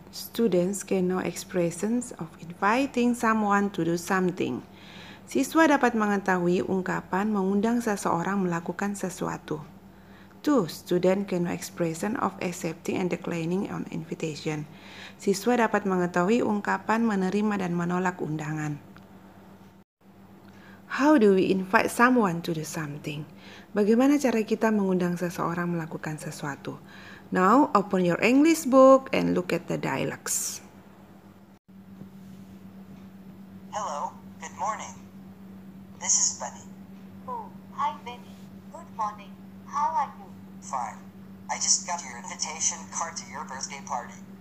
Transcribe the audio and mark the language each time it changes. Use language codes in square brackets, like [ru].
[en] Students can know expressions of inviting someone to do something. [id] Siswa dapat mengetahui ungkapan mengundang seseorang melakukan sesuatu. [en] 2. Student can know expression of accepting and declining an invitation. [id] Siswa dapat mengetahui ungkapan menerima dan menolak undangan. [en] How do we invite someone to do something? [id] Bagaimana cara kita mengundang seseorang melakukan sesuatu? [en] Now, open your English book and look at the dialogues. Hello, good morning. This is Benny. Oh, hi Benny. Good morning. How are you? Fine. I just got your invitation card to your birthday party.